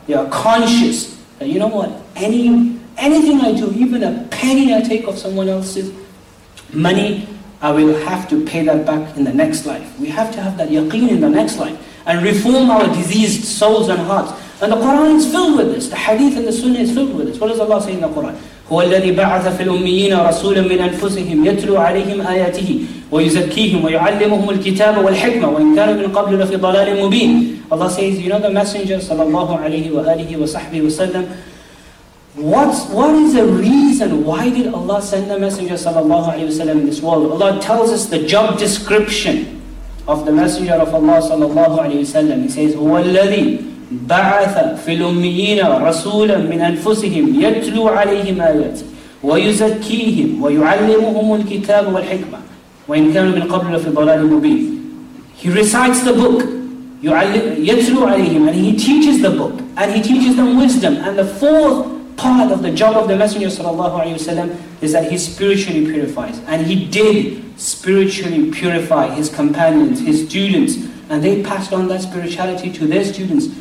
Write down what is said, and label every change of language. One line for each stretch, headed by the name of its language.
English: They are conscious that, you know what, anything I do, even a penny I take of someone else's money, I will have to pay that back in the next life. We have to have that yaqeen in the next life and reform our diseased souls and hearts. And the Quran is filled with this. The hadith and the sunnah is filled with this. What does Allah say in the Quran?
Arabic: هو الذي بعث في الأميين رسولا من أنفسهم يتلو عليهم آياته ويزكيهم ويعلمهم الكتاب والحكمة وإن كانوا من قبل لفي ضلال مبين.
English: Allah says, you know the Messenger
Arabic: صلى الله عليه وآله وصحبه وسلم.
English: What is the reason? Why did Allah send the Messenger
Arabic: صلى الله عليه وسلم
English: in this world? Allah tells us the job description of the Messenger of Allah
Arabic: صلى الله عليه وسلم.
English: He says,
Arabic: هو الذي بعث في الأميين رسولا من أنفسهم يتلو عليهم آياته ويزكيهم ويعلمهم الكتاب والحكمة وإن كانوا من قبل في ضلال مبين.
English: He recites the book,
Arabic: يتلو عليهم,
English: and he teaches the book, and he teaches them wisdom. And the fourth part of the job of the Messenger
Arabic: صلى الله عليه وسلم
English: is that he spiritually purifies, and he did spiritually purify his companions, his students, and they passed on that spirituality to their students.